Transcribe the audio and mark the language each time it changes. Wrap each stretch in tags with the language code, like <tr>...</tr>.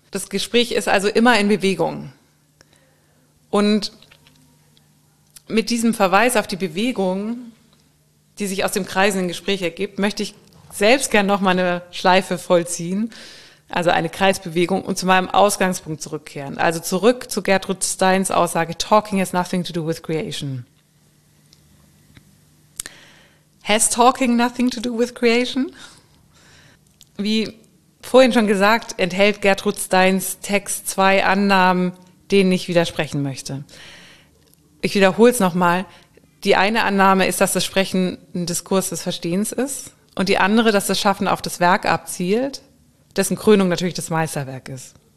<de>Das Gespräch ist also immer in Bewegung. Und mit diesem Verweis auf die Bewegung, die sich aus dem kreisenden Gespräch ergibt, möchte ich selbst gern noch mal eine Schleife vollziehen, also eine Kreisbewegung, und zu meinem Ausgangspunkt zurückkehren. Also zurück zu Gertrud Steins Aussage,</de> <en>Talking has nothing to do with creation. Has talking nothing to do with creation?</en> <de>Wie vorhin schon gesagt, enthält Gertrud Steins Text zwei Annahmen, denen ich widersprechen möchte. Ich wiederhole es nochmal. Die eine Annahme ist, dass das Sprechen ein Diskurs des Verstehens ist. Und die andere, dass das Schaffen auf das Werk abzielt, dessen Krönung natürlich das Meisterwerk ist.</de>